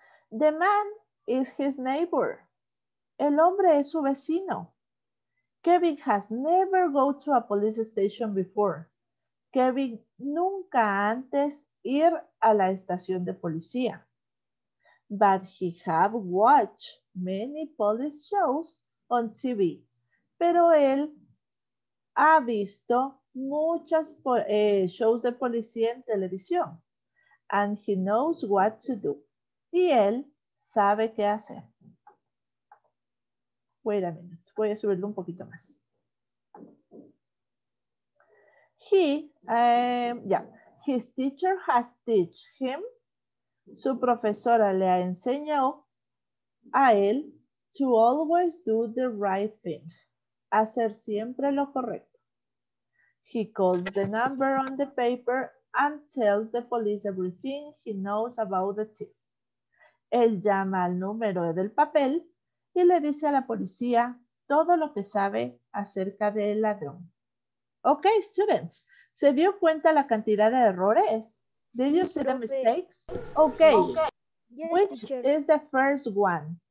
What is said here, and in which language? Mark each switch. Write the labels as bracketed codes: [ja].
[en] The man is his neighbor. [es] El hombre es su vecino. [en] Kevin has never gone to a police station before. [es] Kevin nunca antes ir a la estación de policía. [en] But he have watched many police shows on TV. [es] Pero él ha visto muchas shows de policía en televisión. [en] And he knows what to do. [es] Y él sabe qué hacer. [en] Wait a minute. [es] Voy a subirlo un poquito más. [en] His teacher has taught him. [es] Su profesora le ha enseñado a él [en] to always do the right thing. [es] Hacer siempre lo correcto. [en] He calls the number on the paper and tells the police everything he knows about the thief. [es] Él llama al número del papel y le dice a la policía todo lo que sabe acerca del ladrón. Ok, students, ¿se dio cuenta la cantidad de errores? [en] Did you see the mistakes? Ok, which is the first one?